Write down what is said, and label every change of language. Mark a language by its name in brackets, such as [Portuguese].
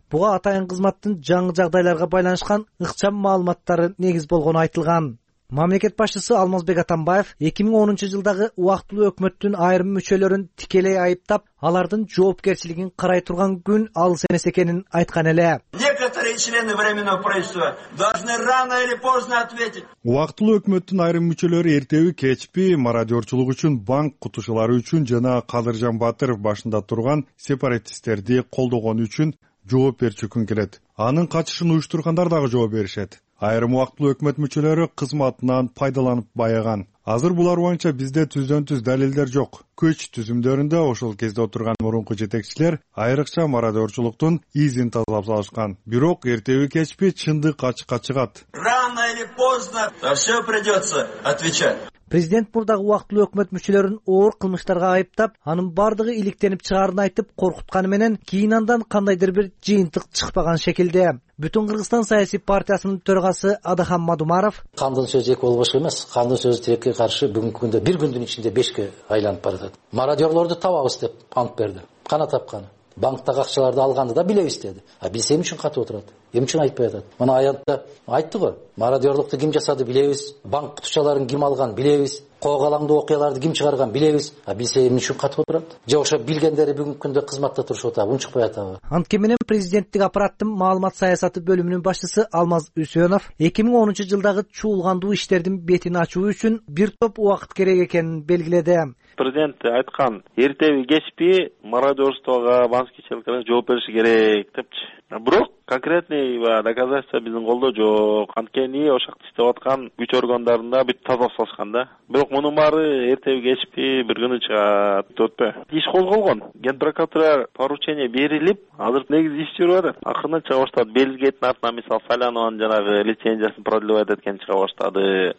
[Kyrgyz] Буга атайын кызматтын жаңы жагдайларга байланышкан ыкчам маалыматтары негиз болгону айтылган. Мамлекет башчысы Алмазбек Атамбаев 2010 жылдагы убактылуу өкмөттүн айрым мүчөлөрүн тикелей айыптап, алардын жоопкерчилигин карай турган күн алыс эмес экенин айткан эле. [Russian] Некоторые члены временного правительства должны рано или поздно ответить. [Kyrgyz] Убактылуу өкмөттүн айрым мүчөлөрү эртеби кечпи мародёрчулук үчүн, банк кутушулары үчүн жана Кадыржан Батыров башында турган сепаратисттерди колдогону үчүн жооп берчү күн келет. Анын качышын уюштургандар дагы жооп беришет. Айрым убактылуу өкмөт мүчөлөрү кызматынан пайдаланып байыган. Азыр булар боюнча бизде түздөн-түз далилдер жок. Күч түзүмдөрүндө ошол кезде отурган мурунку жетекчилер айрыкча мародёрчулуктун изин тазалап салышкан. Бирок эртеби кечпи чындык ачыкка чыгат. [Russian] Рано или поздно за все придется отвечать. [Kyrgyz] Президент мурдагы убактылуу өкмөт мүчөлөрүн оор кылмыштарга айыптап, анын бардыгы иликтенип чыгаарын айтып коркутканы менен кийин андан кандайдыр бир жыйынтык чыкпаган шекилде. Бүтүн Кыргызстан саясий партиясынын төрагасы Адахан Мадумаров: кандын сөзү эки болбошу эмес, кандын сөзү тилекке каршы бүгүнкү күндө бир күндүн ичинде бешке айланып баратат. Мародерлорду табабыз деп ант берди. Кана тапканы? Банктагы акчаларды алганды да билебиз деди. А биз эми үчүн катып отурат? Эми үчүн айтпай атат? Мына аянтта айтты го, мародерлукту ким жасады билебиз, банк кутучаларын ким алган билебиз, Коогалаңда окуяларды ким чыгарган билебиз, а билсе эмне үчүн катып отурат? Же окшоп билгендери бүгүнкү күндө кызматта турушуп атабы, унчукпай атабы? Анткени менен президенттик аппараттын маалымат саясаты бөлүмүнүн башчысы Алмаз Үсөнов 2010 жылдагы чуулгандуу иштердин бетин ачуу үчүн бир топ убакыт керек экенин белгиледи. Президент айткан, эртеби кечпи мародерствого Аванский человек жооп бериши керек депчи. Бирок [Russian] конкретный доказательство [Kyrgyz] биздин колдо жок. Анткени ошакты иштеп аткан күч органдарында бүт таза салышкан да. Бирок мунун баары эртеби кечпи бир күнү чыгат өтпө. Иш козголгон. Генпрокуратура поручение берилип, азыр негизи иш жүрүп атат. Акырында чыга баштады. Белгилеген артынан мисалы Салянованын жанагы лицензиясын продлевать эткен чыга баштады.